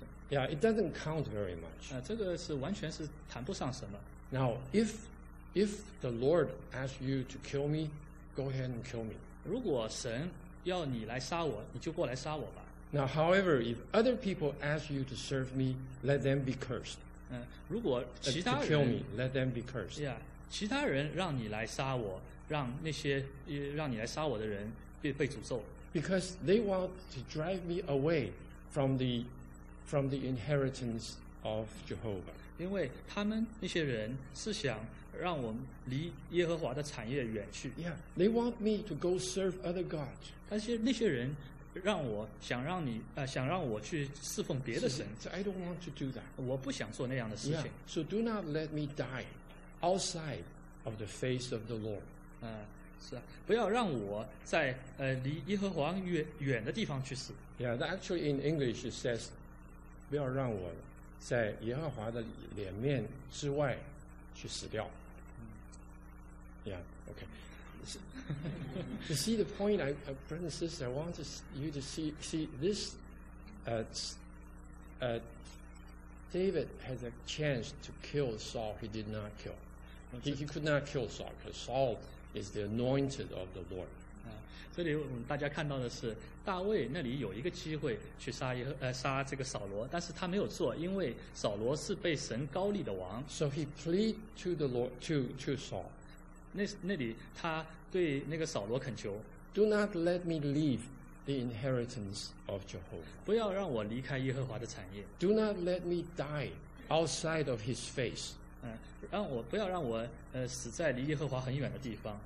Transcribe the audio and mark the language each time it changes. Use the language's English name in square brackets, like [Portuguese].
[English] Yeah, it doesn't count very much. [Chinese] 这个是完全是谈不上什么。 [English] Now, if the Lord asks you to kill me, go ahead and kill me. [Chinese] 如果神要你来杀我，你就过来杀我吧。 [English] Now, however, if other people ask you to serve me, let them be cursed. [Chinese] 如果其他人 [English] to kill me, let them be cursed. [Chinese] Yeah, 其他人让你来杀我。让你来杀我的人被诅咒。 [English] Because they want to drive me away from the inheritance of Jehovah. [Chinese] 因为他们那些人是想让我们离耶和华的产业远去。 [English] Yeah, they want me to go serve other gods. [Chinese] 那些人想让我去侍奉别的神。 [English] So I don't want to do that. [Chinese] 我不想做那样的事情。 [English] Yeah, so do not let me die outside of the face of the Lord. [Chinese] 是啊，不要让我在离耶和华远的地方去死。 [English] Yeah, that actually in English it says, [Chinese] 不要让我在耶和华的脸面之外去死掉。 Yeah, okay. [English] You see the point, brothers and sisters, I want you to see this. David has a chance to kill Saul. He did not kill. He could not kill Saul because Saul. Is the anointed of the Lord. [Chinese] 这里我们大家看到的是大卫那里有一个机会去杀这个扫罗，但是他没有做，因为扫罗是被神高立的王。 [English] So he plead to the Lord, to Saul. [Chinese] 那里他对那个扫罗恳求。 [English] Do not let me leave the inheritance of Jehovah. [Chinese] 不要让我离开耶和华的产业。 [English] Do not let me die outside of his face. [Chinese] 让我不要让我死在离耶和华很远的地方。